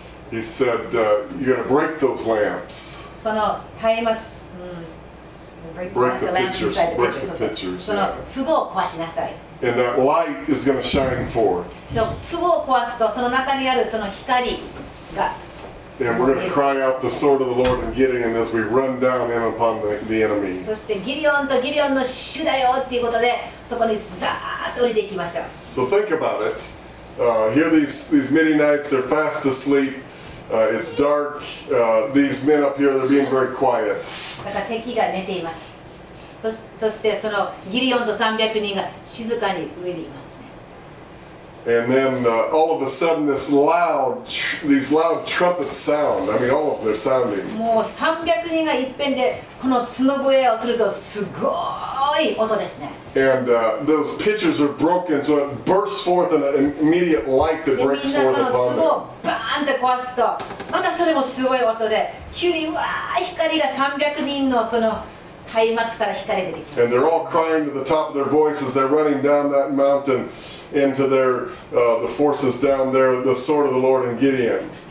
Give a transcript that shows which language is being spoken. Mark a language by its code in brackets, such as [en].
[en] He said, "You're going to break those lamps." [ja] その松明、 [en] break the pictures, break the pictures. [ja] その壺を壊しなさい。 [en] And that light is going to shine forth. [ja] その壺を壊すとその中にあるその光が。 [en] And we're going to cry out the sword of the Lord and Gideon as we run down in upon the enemy. [ja] そしてギデオンとギデオンの主だよっていうことでそこにザーッと降りていきましょう。 [en] So think about it. Here these Midianites are fast asleep. It's dark. These men up here, they're being very quiet. [ja] だから敵が寝ています。そしてそのギデオンと300人が静かに上にいます。 [en] And then all of a sudden these loud trumpets sound. I mean, all of them are sounding. [ja] もう300人が一遍でこの角笛をするとすごい音ですね。 [en] And those pitchers are broken, so it bursts forth an immediate light that breaks forth upon them. [ja] みんなその角をバーンって壊すと、またそれもすごい音で、急にわー光が300人のその松明から光が出てきます。 [en] And they're all crying to the top of their voices. They're running down that mountain. Into their the forces down there, the sword of the Lord and Gideon.